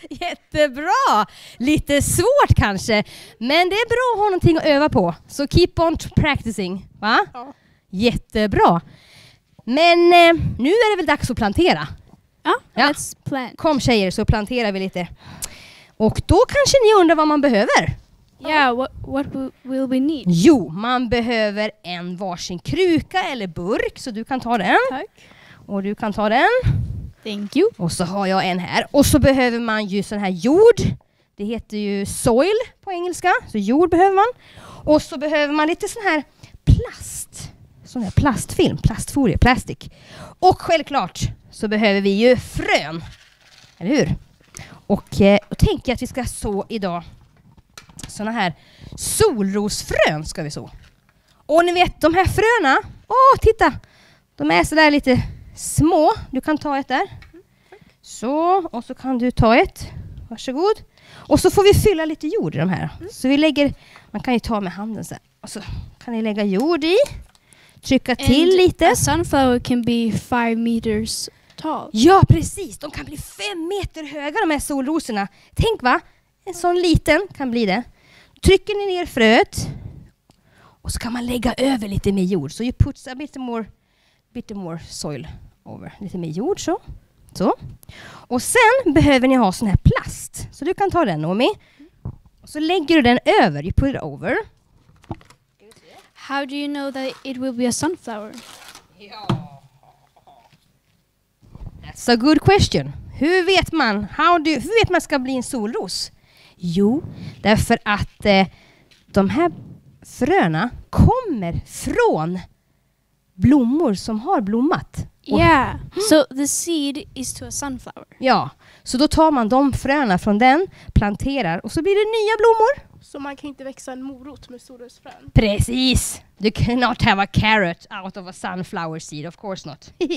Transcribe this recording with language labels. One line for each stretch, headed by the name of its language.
Swedish: Jättebra. Lite svårt kanske. Men det är bra att ha någonting att öva på.
English: Så keep on practicing. Va?
Swedish: Ja. Jättebra. Men nu är det väl dags att plantera?
English: Ja, let's plant.
Swedish: Kom tjejer, så planterar vi lite. Och då kanske ni undrar vad man behöver.
English: Ja, yeah, what will we need?
Swedish: Jo, man behöver en varsin kruka eller burk. Så du kan ta den. Tack. Och du kan ta den.
English: Thank you.
Swedish: Och så har jag en här. Och så behöver man ju sån här jord. Det heter ju soil på engelska. Så jord behöver man. Och så behöver man lite sån här plast. Sån här plastfilm, plastfolie, plastik. Och självklart så behöver vi ju frön. Eller hur? Och då tänker jag att vi ska så idag såna här solrosfrön ska vi så. Och ni vet, de här fröna, åh titta, de är så där lite små. Du kan ta ett där. Så, och så kan du ta ett. Varsågod. Och så får vi fylla lite jord i de här. Så vi lägger, man kan ju ta med handen så här. Och så kan ni lägga jord i. Trycka till lite.
English: A sunflower can be 5 meters tall.
Swedish: Ja, precis. De kan bli 5 meter höga, de här solrosorna. Tänk va? En sån liten kan bli det. Trycker ni ner fröet. Och så kan man lägga över lite mer jord.
English: So you put a bit more soil over.
Swedish: Lite mer jord så. Så. Och sen behöver ni ha sån här plast. Så du kan ta den, Naomi. Och så lägger du den över.
English: You put it over. How do you know that it will be a sunflower? That's a good question.
Swedish: Hur vet man ska bli en solros? Jo, därför att de här fröna kommer från blommor som har blommat.
English: Yeah, so the seed is to a sunflower.
Swedish: Ja, så då tar man de fröna från den, planterar och så blir det nya blommor. Så man kan inte växa en morot med solrosfrön. Precis.
English: You cannot have a carrot out of a sunflower seed, of course not.